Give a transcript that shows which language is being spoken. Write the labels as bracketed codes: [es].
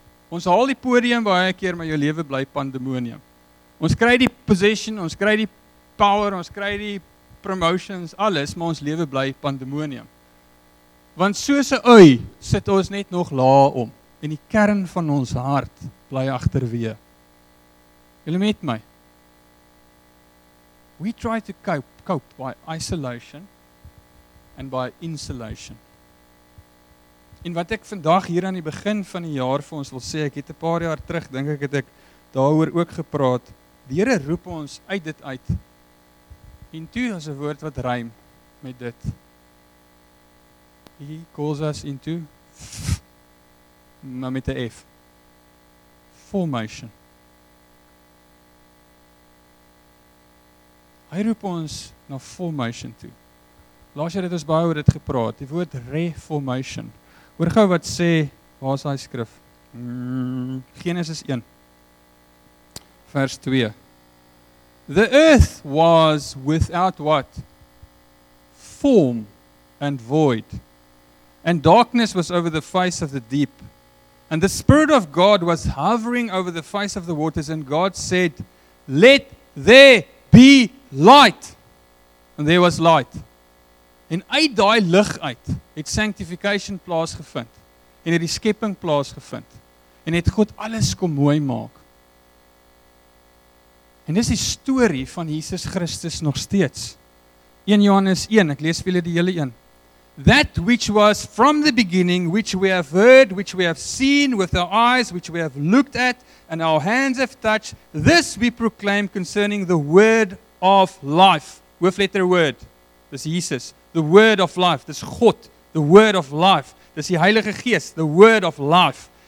[af] Ons haal die podium baie keer, maar jou lewe bly pandemonium. Ons kry die position, ons kry die power, ons kry die promotions, alles, maar ons lewe bly pandemonium. Want soos 'n ui sit ons net nog laag om en die kern van ons hart bly agterwee. Julle met my? [en] We try to cope by isolation and by insulation. [af] En wat ek vandag hier aan die begin van die jaar vir ons wil sê, ek het 'n paar jaar terug, dink ek, het ek daaroor ook gepraat. Die Here roep ons uit dit uit. Into is 'n woord wat rym met dit. [en] He calls us into, [af] maar met 'n F. [en] Formation. [af] Hy roep ons na formation toe. Laas jaar het ons baie oor dit gepraat, die woord reformation. Hoor gou wat sê, waar is daai skrif? Genesis 1 vers 2. [en] The earth was without what? Form and void. And darkness was over the face of the deep. And the Spirit of God was hovering over the face of the waters, and God said, let there be light. And there was light. [af] En uit daai lig uit het sanctification plaasgevind en het die skepping plaasgevind en het God alles kom mooi maak. En dis die story van Jesus Christus nog steeds. 1 Johannes 1, ek lees vir julle die hele een. [en] That which was from the beginning, which we have heard, which we have seen with our eyes, which we have looked at and our hands have touched, this we proclaim concerning the word of life. Hoofletter word, [af] dis Jesus. [en] The word of life, [af] dis God, [en] the word of life, [af] dis die Heilige Gees, [en] the word of life.